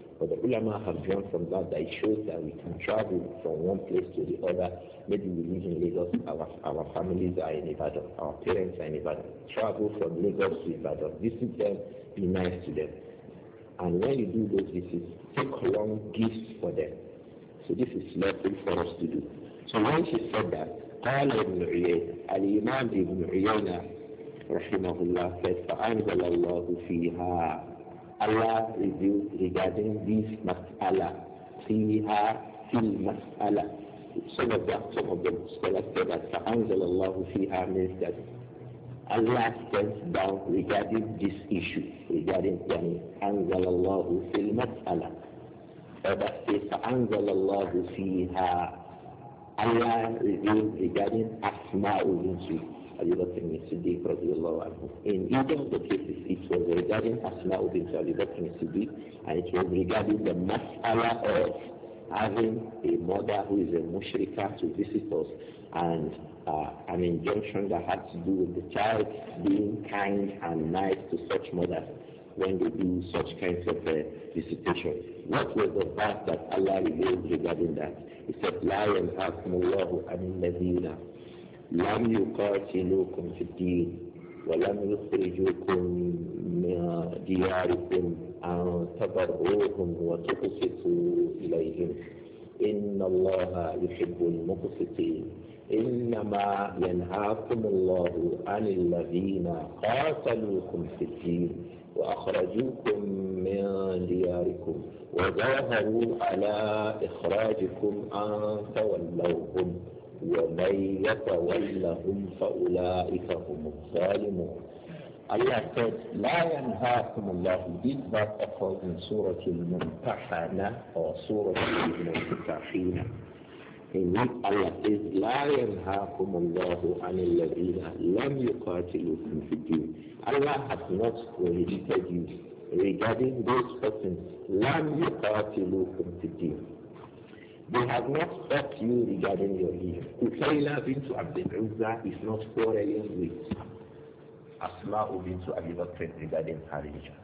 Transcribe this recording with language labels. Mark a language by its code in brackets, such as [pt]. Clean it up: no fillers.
[en] But the ulama have drawn from that it shows that we can travel from one place to the other. Maybe we live in Lagos, our families are in Ibadan, our parents are in Ibadan. Travel from Lagos to Ibadan, visit them, be nice to them. And when you do those visits, take along gifts for them. So this is lawful for us to do. So when she said that, [ar] قال ابن عيينة, الإمام ابن عيينة رحمه الله said, فأنزل الله فيها, [en] Allah revealed regarding this [ar] مسألة, فيها في المسألة. [en] Some of the scholars said that فأنزل الله فيها means that Allah sent down regarding this issue, regarding [ar] يعني أنزل الله في المسألة. [en] Allah says, [ar] فأنزل الله فيها, [en] Allah revealed regarding Asma'u Binti Abi Bakr al-Siddiq [ar] رضي الله عنه. [en] In either of the cases, it was regarding Asma'u Binti Abi Bakr al-Siddiq, and it was regarding the mas'ala of having a mother who is a mushrika to visit us, and an injunction that had to do with the child being kind and nice to such mothers. when they do such kinds of visitation. What was the verse that Allah revealed regarding that? [ar] He said, لَا يَنْحَاكُمُ اللَّهُ عَنِ الَّذِينَ لَمْ يُقَاتِلُوكُمْ فِي الدِّينِ وَلَمْ يُخْرِجُوكُمْ مِنْ دِيَارِكُمْ أَنْ تَبَرُّوهُمْ وَتُقْسِطُوا إِلَيْهِمْ إِنَّ اللَّهَ يُحِبُّ الْمُقْسِطِينَ إنما ينهاكم الله عن الذين قاتلوكم في الدين وأخرجوكم من دياركم وظاهروا على إخراجكم أن تولوهم ومن يتولهم فأولئك هم الظالمون. [en] Allah said, [ar] لا ينهاكم الله. [en] This verse occurs in سورة الممتحنة أو سورة الممتحنة. In which Allah says, [ar] لَا يَنْهَاكُمُ اللَّهُ عَنِ الَّذِينَ لَمْ يُقَاتِلُوكُمْ فِي الدِّينِ. [en] Allah has not prohibited you regarding those persons. [ar] لَمْ يُقَاتِلُوكُمْ فِي الدِّينِ. [en] They have not stopped you regarding your leave. Kutayla bint Abd al-Uzza is not quarreling with Asma bint Abi Bakr regarding her religion.